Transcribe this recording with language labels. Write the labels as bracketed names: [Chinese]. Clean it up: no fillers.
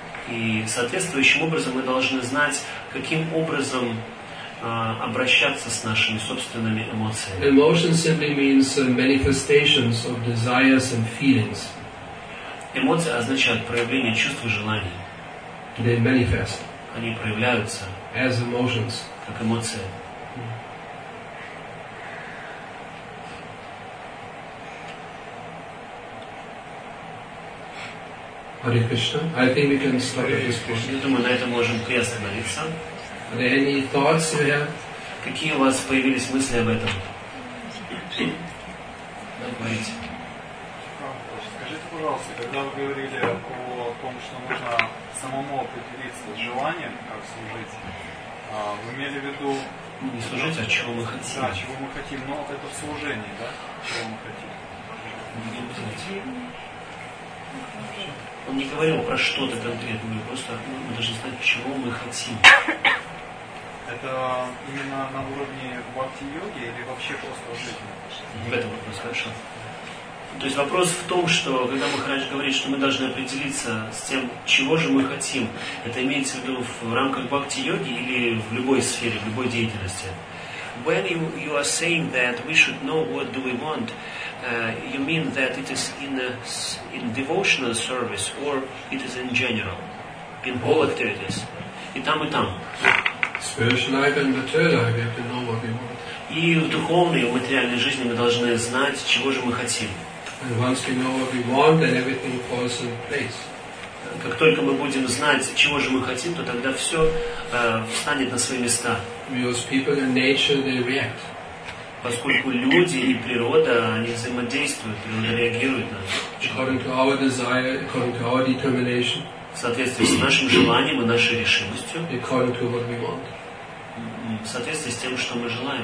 [Russian] И соответствующим образом мы должны знать, каким образом обращаться с нашими собственными эмоциями. [English] Emotion simply means manifestations of desires and feelings. [Russian] Эмоции означают проявление чувств и желаний. [English] They manifest. [Russian] Они проявляются. [English] As emotions. [Russian] Как эмоции. [English] Hare Krishna. I think we can stop at this point. [Russian] Я думаю, на этом можем приостановиться. [English] Are there any thoughts you have? [Russian] Какие у вас появились мысли об этом? Скажите, пожалуйста, когда вы говорили о том, что нужно самому определиться с желанием, как служить, вы имели в виду... Не служить, а чего мы хотим. Да, чего мы хотим. Но это в служении, да? Чего мы хотим. Он не говорил про что-то конкретное, просто мы должны знать, чего мы хотим. Это именно на уровне бхакти-йоги или вообще просто жизни? В этом вопрос, хорошо. То есть вопрос в том, что когда Махарадж говорит, что мы должны определиться с тем, чего же мы хотим, это имеется в виду в рамках бхакти-йоги или в любой сфере, в любой деятельности? [English] When you are saying that we should know what do we want, you mean that it is in devotional service or it is in general, in all activities? [Russian] И там, и там. [English] Spiritual life and material life, we have to know what we want. [Russian] И в духовной, в материальной жизни мы должны знать, чего же мы хотим. [English] And once we know what we want, then everything falls in place. [Russian] Как только мы будем знать, чего же мы хотим, то тогда все встанет на свои места. [English] Because people and nature, they react. [Russian] Поскольку люди и природа, они взаимодействуют, природа реагирует на это. [English] According to our desire, according to our determination. [Russian] В соответствии с нашим желанием и нашей решимостью. [English] According to what we want. [Russian] В соответствии с тем, что мы желаем.